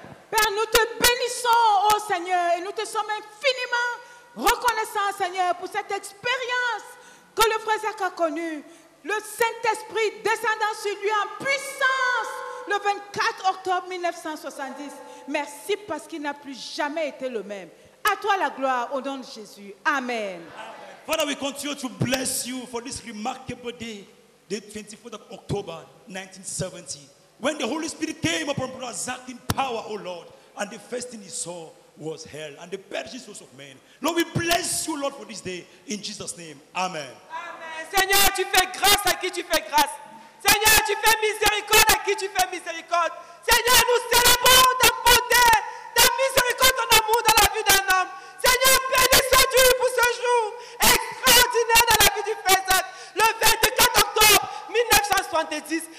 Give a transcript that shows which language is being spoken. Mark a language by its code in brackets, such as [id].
[fr] Père, nous te bénissons, oh Seigneur, et nous te sommes infiniment reconnaissants, Seigneur, pour cette expérience que le frère a connue. Le Saint-Esprit descendant sur lui en puissance le 24 octobre 1970. Merci parce qu'il n'a plus jamais été le même. À toi la gloire au nom de Jésus. Amen. Amen. [en] Father, we continue to bless you for this remarkable day, the 24th of October 1970, when the Holy Spirit came upon Brother Zach in power, oh Lord, and the first thing he saw was hell and the perishing souls of men. Lord, we bless you, Lord, for this day in Jesus' name. Amen. [fr] Seigneur, tu fais grâce à qui tu fais grâce. Seigneur, tu fais miséricorde à qui tu fais miséricorde. Seigneur, nous célébrons ta beauté, ta miséricorde, ton amour dans la vie d'un homme. Seigneur, bénissons-tu pour ce jour extraordinaire dans la vie du Fézat, le 24 octobre 1970.